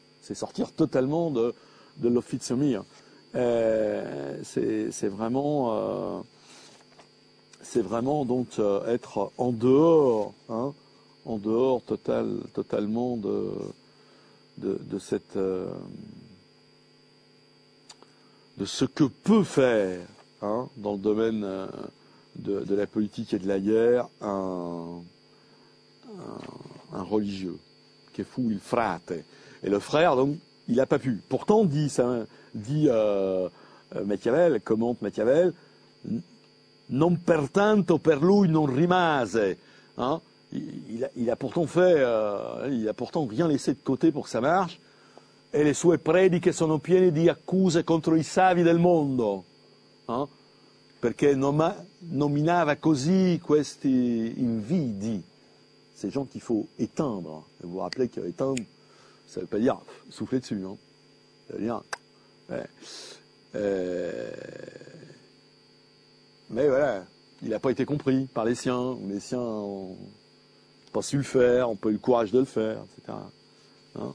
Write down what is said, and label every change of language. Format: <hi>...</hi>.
<fr>C'est sortir totalement de</fr> <it>l'officio mio.</it> <fr>C'est vraiment être en dehors, hein, en dehors totalement de ce que peut faire, hein, dans le domaine de la politique et de la guerre un religieux qui est fou,</fr> <it>il frate.</it> <fr>Et le frère, donc, il n'a pas pu. Pourtant, commente</fr> <it>Machiavel, non pertanto per lui non rimase. Hein?</it> <fr>Il a pourtant rien laissé de côté pour que ça marche. Et les</fr> <it>sue prediche sono piene di accuse contro i savi del mondo. Hein? Perché nominava così questi invidi.</it> <fr>Ces gens qu'il faut éteindre. Vous vous rappelez qu'éteindre, ça ne veut pas dire souffler dessus. Hein? Ça veut dire. Ouais. Mais voilà, il n'a pas été compris par les siens. Les siens n'ont pas su le faire, n'ont pas eu le courage de le faire, etc. Hein?</fr>